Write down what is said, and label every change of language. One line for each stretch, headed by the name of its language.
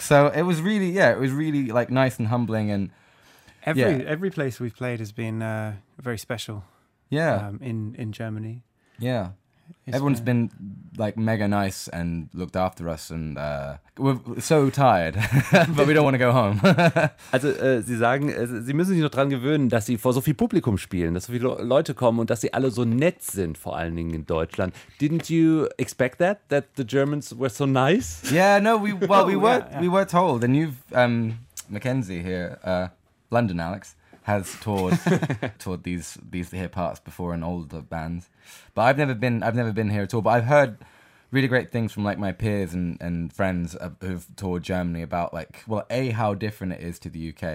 English: So it was really, like, nice and humbling. And Every place we've played has been very special. Yeah. In Germany. Yeah. Everyone's been like mega nice and looked after us, and we're so tired, but we don't want to go home.
German: Also sie sagen, sie müssen sich noch dran gewöhnen, dass sie vor so viel Publikum spielen, dass so viele Leute kommen und dass sie alle so nett sind, vor allen Dingen in Deutschland.
English: Didn't you expect that the Germans were so nice? Yeah, no, we were told, and you've Mackenzie here, London Alex, has toured these here parts before in older bands, but I've never been here at all. But I've heard really great things from like my peers and friends who've toured Germany about like, well, A, how different it is to the UK.